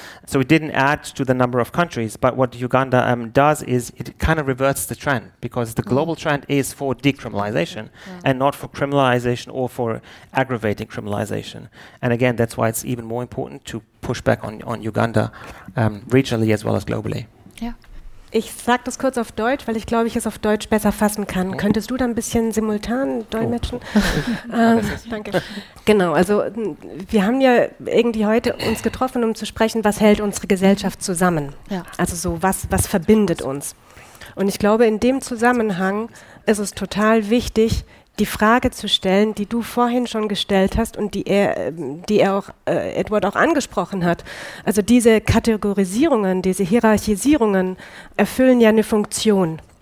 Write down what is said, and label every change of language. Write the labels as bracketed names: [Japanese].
[English] So it didn't add to the number of countries. But what Uganda does is it kind of reverts the trend, because the global trend is for decriminalization and not for criminalization or for aggravating criminalization. And again, that's why it's even more important to push back on Uganda regionally as well as globally. Yeah. [German] Ich sage das kurz auf Deutsch, weil ich glaube, ich es auf Deutsch besser fassen kann. Oh. Könntest du da ein bisschen simultan dolmetschen? Oh. danke. Genau, also wir haben ja irgendwie heute uns getroffen, um zu sprechen, was hält unsere Gesellschaft zusammen? Ja. Also so, was verbindet uns? Und ich glaube, in dem Zusammenhang ist es total wichtig, die Frage zu stellen, die du vorhin schon gestellt hast und die Edward auch angesprochen hat. Also diese Kategorisierungen, diese Hierarchisierungen erfüllen ja eine Funktion.